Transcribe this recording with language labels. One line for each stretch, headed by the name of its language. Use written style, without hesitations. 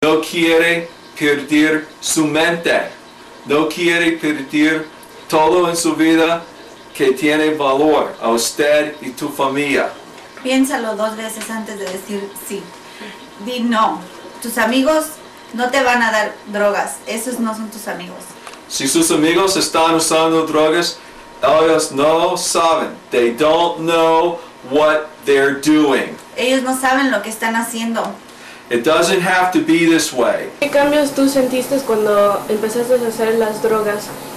Spanish: no quiere perder su mente, no quiere perder todo en su vida que tiene valor a usted y tu familia. Piénsalo dos veces antes de decir sí. Di no. Tus amigos no te van a dar drogas. Esos no son tus amigos. Si sus amigos están usando drogas, ellos no saben.
English: They don't know what they're doing.
Spanish: Ellos no saben lo que están haciendo.
English: It doesn't have to be this way.
Spanish: ¿Qué cambios tú sentiste cuando empezaste a hacer las drogas?